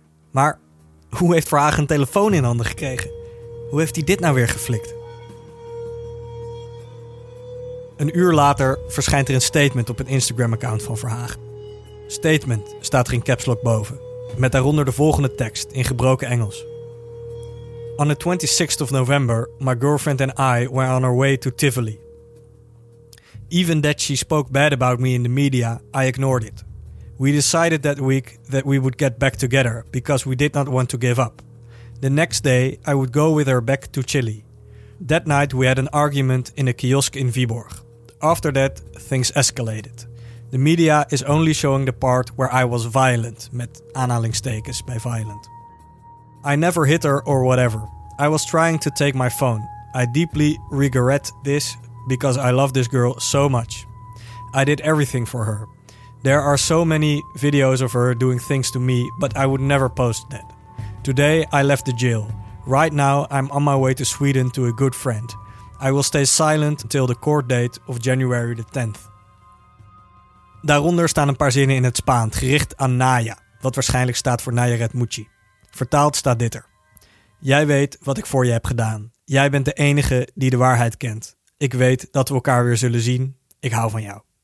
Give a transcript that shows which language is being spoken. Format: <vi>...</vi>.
<nl>Maar hoe heeft Verhagen een telefoon in handen gekregen? Hoe heeft hij dit nou weer geflikt? Een uur later verschijnt er een statement op een Instagram-account van Verhagen. Statement staat er in caps lock boven, met daaronder de volgende tekst in gebroken Engels.</nl> <en>On the 26th of November, my girlfriend and I were on our way to Tivoli. Even that she spoke bad about me in the media, I ignored it. We decided that week that we would get back together, because we did not want to give up. The next day, I would go with her back to Chile. That night, we had an argument in a kiosk in Viborg. After that, things escalated. The media is only showing the part where I was violent,</en> <nl>met aanhalingstekens bij violent.</nl> <en>I never hit her or whatever. I was trying to take my phone. I deeply regret this because I love this girl so much. I did everything for her. There are so many videos of her doing things to me, but I would never post that. Today I left the jail. Right now I'm on my way to Sweden to a good friend. I will stay silent until the court date of January the 10th.</en> <nl>Daaronder staan een paar zinnen in het Spaans gericht aan Naya, wat waarschijnlijk staat voor Nayaret Mucci. Vertaald staat dit er. Jij weet wat ik voor je heb gedaan. Jij bent de enige die de waarheid kent. Ik weet dat we elkaar weer zullen zien. Ik hou van jou.</nl>